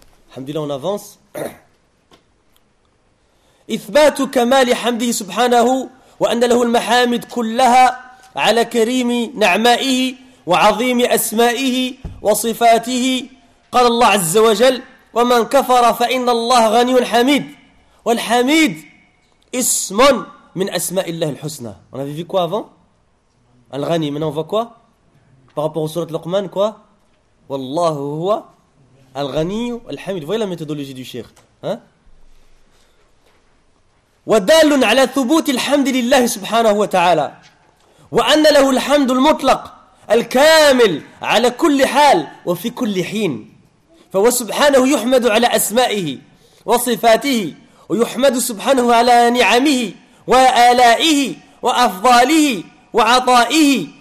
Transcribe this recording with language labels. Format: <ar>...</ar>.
<fr>Alhamdulillah, on avance.</fr> <ar>Ithbatu kamali hamdihi subhanahu wa anna lahu al-mahamid kullaha على كريم نعمائه وعظيم أسمائه وصفاته. قال الله عز وجل ومن كفر فإن الله غني حميد. والحميد اسم من أسماء الله الحسنى.</ar> <fr>On avait vu quoi avant? Al-Ghani. Maintenant on voit quoi par rapport au sourate Luqman? Quoi?</fr> <ar>والله هو Al-Ghani Al-Hamid.</ar> <fr>Voyez la méthodologie du Cheikh, hein?</fr> <ar>ودال على ثبوت الحمد لله سبحانه وتعالى وأن له الحمد المطلق الكامل على كل حال وفي كل حين. فهو سبحانه يحمد على أسمائه وصفاته ويحمد سبحانه على نعمه وآلائه وأفضاله وعطائه.</ar>